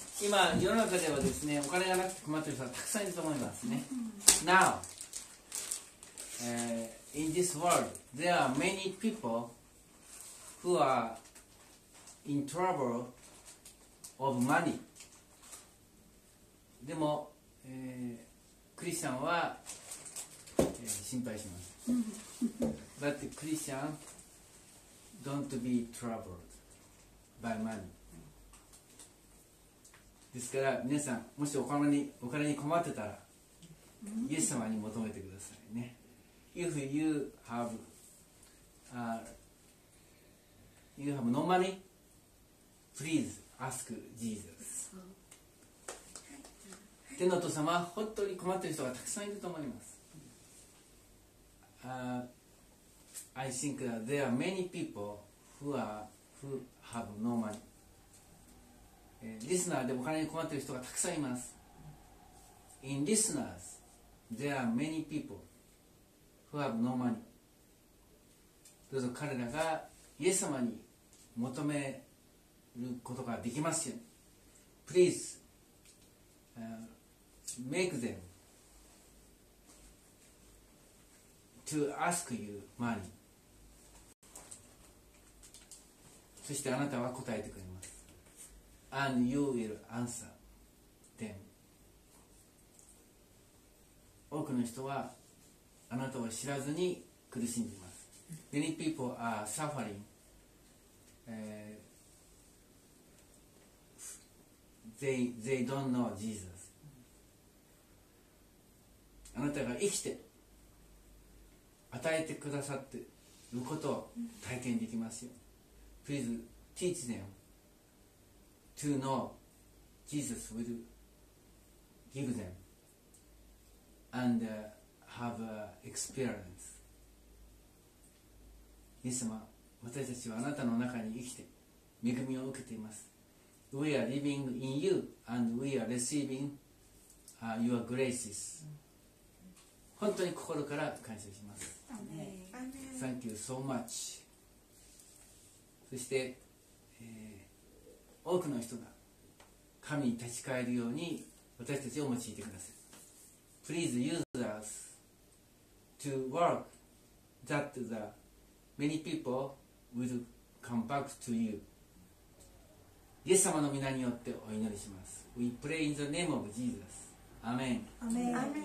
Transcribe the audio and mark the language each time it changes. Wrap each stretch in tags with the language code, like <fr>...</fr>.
<ja>まあ、世の中ではですね、お金がなくて困っている人はたくさんいると思いますね。</ja> <en>Now, in this world, there are many people who are in trouble of money.</en> <ja>でも、クリスチャンは、心配します。</ja> <en>But Christian don't be troubled by money.</en> <ja>ですから皆さんもしお金に困ってたらイエス様に求めてくださいね。</ja> <en>If you have you have no money, please ask Jesus.</en> <ja>天のお父様、本当に困ってる人がたくさんいると思います。</ja> <en>I think that there are many people who have no money.</en> <ja>リスナーでお金に困っている人がたくさんいます。</ja> <en>In listeners, there are many people who have no money.</en> <ja>どうぞ彼らがイエス様に求めることができますように。</ja> <en>Please, make them to ask you money.</en> <ja>そしてあなたは答えてくれます。</ja> <en>And you will answer them.</en> <ja>多くの人はあなたを知らずに苦しんでいます。</ja> <en>Many people are suffering. They don't know Jesus.</en> <ja>あなたが生きて与えてくださっていることを体験できますよ。</ja> <en>Please teach them to know Jesus will give them and have an experience.</en> <ja>神様、私たちはあなたの中に生きて恵みを受けています。</ja> <en>We are living in you and we are receiving your graces.</en> <ja>本当に心から感謝します。</ja> <en>Thank you so much.</en> <ja>そして、多くの人が神に立ち返るように私たちを用いてください。</ja> <en>Please use us to work that the many people will come back to you.</en> <ja>イエス様の御名によってお祈りします。</ja> <en>We pray in the name of Jesus. Amen. Amen. Amen.</en>